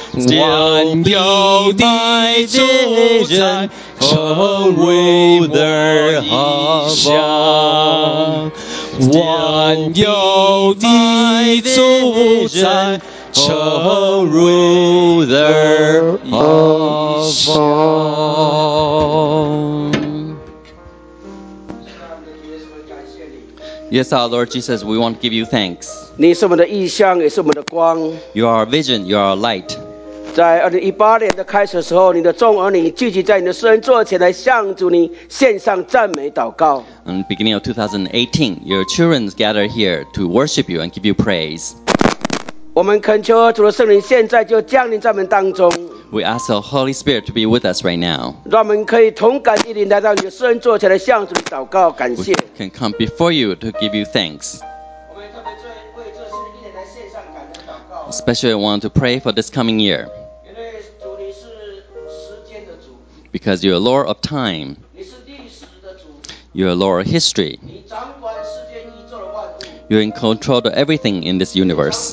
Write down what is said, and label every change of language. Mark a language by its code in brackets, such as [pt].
[zh] 万有的主宰，成为我意象。万有的主宰，成为我意象。 [en] Yes, our Lord Jesus, we want to give you thanks. [zh] 你是我们的意象，也是我们的光。 [en] You are our vision, you are our light. [zh] 在2018年的开始的时候，你的众儿女聚集在你的施恩座前来向主你献上赞美祷告。 [en] In the beginning of 2018, your children gather here to worship you and give you praise. [zh] 我们恳求主的圣灵现在就降临在我们当中。 [en] We ask the Holy Spirit to be with us right now. [zh] 让我们可以同感一灵来到你的施恩座前来向主祷告感谢。 [en] We can come before you to give you thanks. [zh] 我们特别为这新的一年来献上感恩祷告。 [en] Especially I want to pray for this coming year. [zh] 因为主你是时间的主。 [en] Because you're a Lord of time. [zh] 你是历史的主。 [en] You're a Lord of history. [zh] 你掌管世间宇宙的万物。 [en] You're in control of everything in this universe.